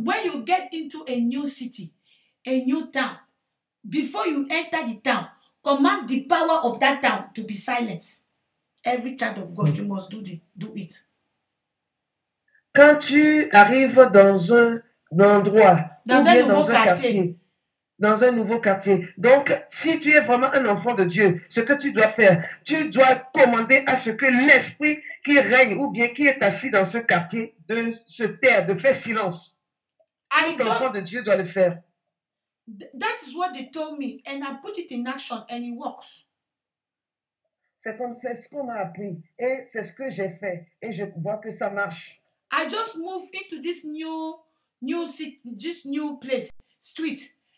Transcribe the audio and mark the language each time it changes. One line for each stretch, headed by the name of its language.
English: When you get into a new city, a new town, before you enter the town, command the power of that town to be silenced. Every child of God, you must do it.
French: Quand tu arrives dans un endroit, dans un nouveau quartier. Donc, si tu es vraiment un enfant de Dieu, ce que tu dois faire, tu dois commander à ce que l'esprit qui règne ou bien qui est assis dans ce quartier de se taire, de faire silence. Tout enfant de Dieu doit le faire.
English: That is what they told me and I put it in action and it works.
French: C'est comme c'est ce qu'on m'a appris et c'est ce que j'ai fait et je vois que ça marche.
English: I just moved into this new city, this new place, street.